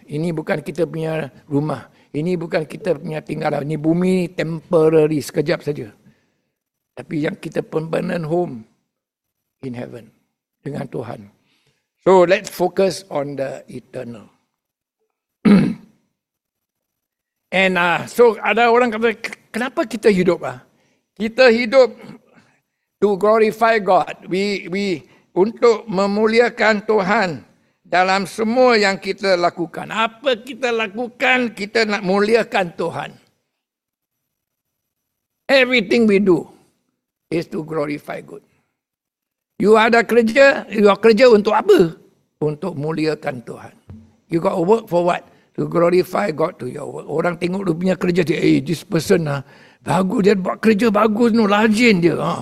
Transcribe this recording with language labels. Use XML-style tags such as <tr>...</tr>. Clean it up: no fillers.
<ms>Ini bukan kita punya rumah. Ini bukan kita punya tinggalan. Ini bumi temporary, sekejap saja. Tapi yang kita</ms> <en>permanent home in heaven</en> <ms>dengan Tuhan.</ms> <en>So let's focus on the eternal.</en> <ms>And so ada orang kata, kenapa kita hidup? Kita hidup</ms> <en>to glorify God.</en> <ms>We untuk memuliakan Tuhan dalam semua yang kita lakukan. Apa kita lakukan, kita nak muliakan Tuhan.</ms> <en>Everything we do is to glorify God. You ada kerja, you are</en> <ms>kerja untuk apa? Untuk muliakan Tuhan.</ms> <en>You got work for what? To glorify God to your work.</en> <ms>Orang tengok dia punya kerja, dia, hey,</ms> <en>this person,</en> <ms>bagus, dia buat kerja bagus, no, rajin dia.</ms>